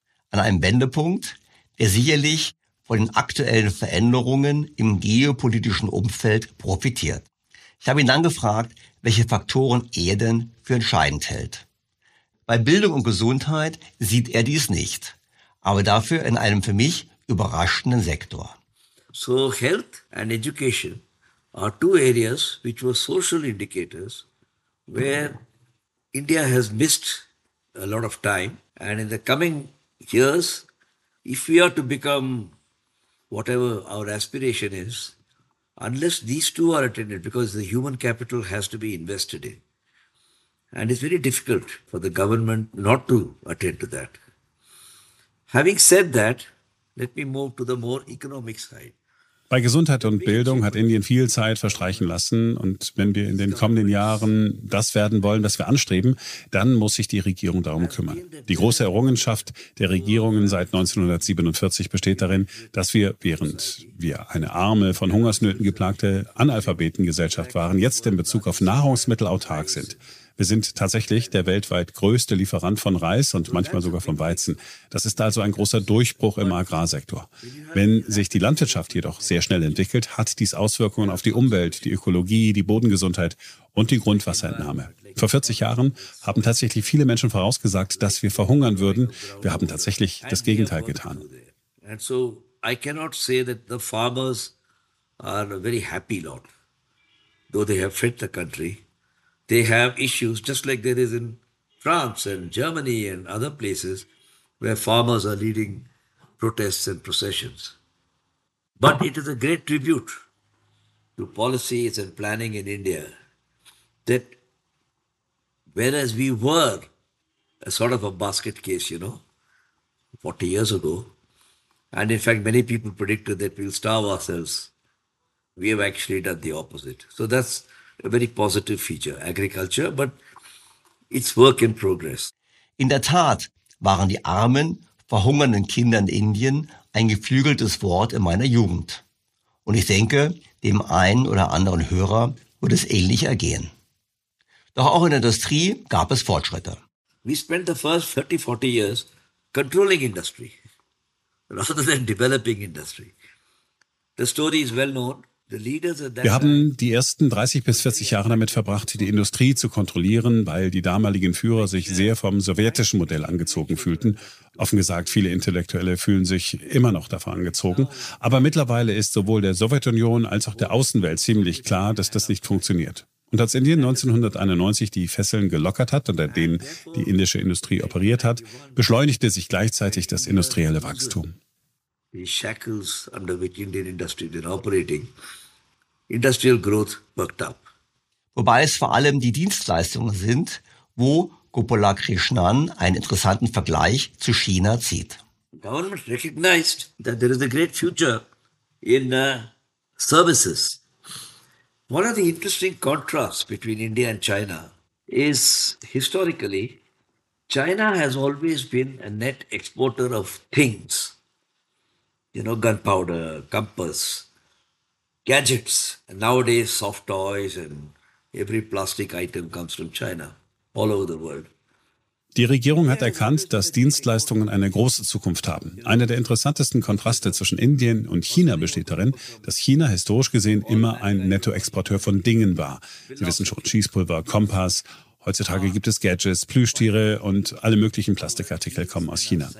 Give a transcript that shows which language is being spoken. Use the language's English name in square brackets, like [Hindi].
[German] An einem Wendepunkt, der sicherlich von den aktuellen Veränderungen im geopolitischen Umfeld profitiert. Ich habe ihn dann gefragt, welche Faktoren er denn für entscheidend hält. Bei Bildung und Gesundheit sieht er dies nicht, aber dafür in einem für mich überraschenden Sektor. [English] So health and education are two areas which were social indicators where India has missed a lot of time and in the coming years, if we are to become whatever our aspiration is, unless these two are attended, because the human capital has to be invested in. And it's very difficult for the government not to attend to that. Having said that, let me move to the more economic side. [German] Bei Gesundheit und Bildung hat Indien viel Zeit verstreichen lassen. Und wenn wir in den kommenden Jahren das werden wollen, was wir anstreben, dann muss sich die Regierung darum kümmern. Die große Errungenschaft der Regierungen seit 1947 besteht darin, dass wir, während wir eine arme, von Hungersnöten geplagte Analphabetengesellschaft waren, jetzt in Bezug auf Nahrungsmittel autark sind. Wir sind tatsächlich der weltweit größte Lieferant von Reis und manchmal sogar von Weizen. Das ist also ein großer Durchbruch im Agrarsektor. Wenn sich die Landwirtschaft jedoch sehr schnell entwickelt, hat dies Auswirkungen auf die Umwelt, die Ökologie, die Bodengesundheit und die Grundwasserentnahme. Vor 40 Jahren haben tatsächlich viele Menschen vorausgesagt, dass wir verhungern würden. Wir haben tatsächlich das Gegenteil getan. [English] And so I cannot say that the farmers are a very happy lot, though they have fed the country. They have issues just like there is in France and Germany and other places where farmers are leading protests and processions. But it is a great tribute to policies and planning in India that whereas we were a sort of a basket case, you know, 40 years ago, and in fact many people predicted that we'll starve ourselves, we have actually done the opposite. So that's a very positive feature, agriculture, but it's work in progress. [German] In der Tat waren die armen, verhungernden Kinder in Indien ein geflügeltes Wort in meiner Jugend. Und ich denke, dem einen oder anderen Hörer wird es ähnlich ergehen. Doch auch in der Industrie gab es Fortschritte. [English] We spent the first 30, 40 years controlling industry rather than developing industry. The story is well known. [German] Wir haben die ersten 30 bis 40 Jahre damit verbracht, die Industrie zu kontrollieren, weil die damaligen Führer sich sehr vom sowjetischen Modell angezogen fühlten. Offen gesagt, viele Intellektuelle fühlen sich immer noch davon angezogen. Aber mittlerweile ist sowohl der Sowjetunion als auch der Außenwelt ziemlich klar, dass das nicht funktioniert. Und als Indien 1991 die Fesseln gelockert hat, unter denen die indische Industrie operiert hat, beschleunigte sich gleichzeitig das industrielle Wachstum. [English] The shackles under which Indian industry has been operating, industrial growth worked up. [German] Wobei es vor allem die Dienstleistungen sind, wo Gopala Krishnan einen interessanten Vergleich zu China zieht. [English] The government recognized that there is a great future in services. One of the interesting contrasts between India and China is historically, China has always been a net exporter of things. You know, gunpowder, compass, gadgets. And nowadays, soft toys and every plastic item comes from China, all over the world. [German] Die Regierung hat erkannt, dass Dienstleistungen eine große Zukunft haben. Einer der interessantesten Kontraste zwischen Indien und China besteht darin, dass China historisch gesehen immer ein Nettoexporteur von Dingen war. Sie wissen schon, Schießpulver, Kompass. Heutzutage gibt es Gadgets, Plüschtiere und alle möglichen Plastikartikel kommen aus China.